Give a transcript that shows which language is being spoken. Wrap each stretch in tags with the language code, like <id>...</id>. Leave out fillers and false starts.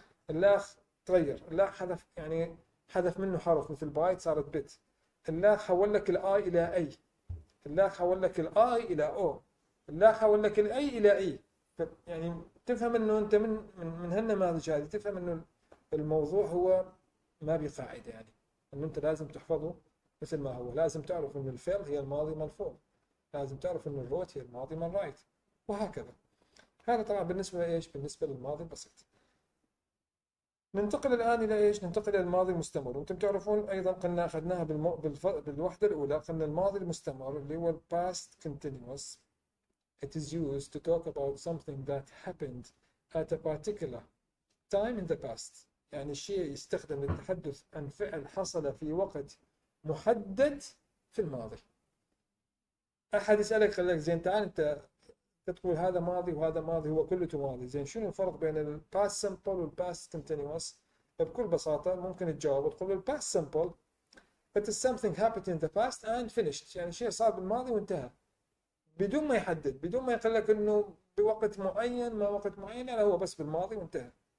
<ar>اللاخ تغير، اللاخ حذف، يعني حذف منه حرف مثل بايت صارت بيت، اللاخ حول لك الاي الى اي، اللاخ حول لك الاي الى او، اللاخ حول لك الاي الى اي، يعني تفهم انه انت من هالنماذج هذه تفهم انه الموضوع هو ما بقاعدة، يعني انه انت لازم تحفظه مثل ما هو، لازم تعرف ان الفعل هي الماضي ملفوظ، لازم تعرف انه الروت هي الماضي من رايت، وهكذا. هذا طبعا بالنسبه لايش؟ بالنسبه للماضي البسيط. ننتقل الان الى ايش؟ ننتقل الى الماضي المستمر، وانتم تعرفون ايضا قلنا اخذناها بالوحده الاولى، قلنا الماضي المستمر اللي هو past continuous.</ar> <en>It is used to talk about something that happened at a particular time in the past.</en> <ar>يعني الشيء يستخدم للتحدث عن فعل حصل في وقت محدد في الماضي. احد يسالك قال لك زين تعال انت تقول هذا ماضي وهذا ماضي، هو كله ماضي. زين شنو الفرق بين الباست سمبل والباست كونتينوس؟ بكل بساطة ممكن تجاوب وتقول الباست سمبل</ar> <en>it is something happened in the past and finished،</en> <ar>يعني شيء صار بالماضي وانتهى بدون ما يحدد، بدون ما يقول لك انه بوقت معين، ما وقت معين، لا هو بس بالماضي وانتهى.</ar>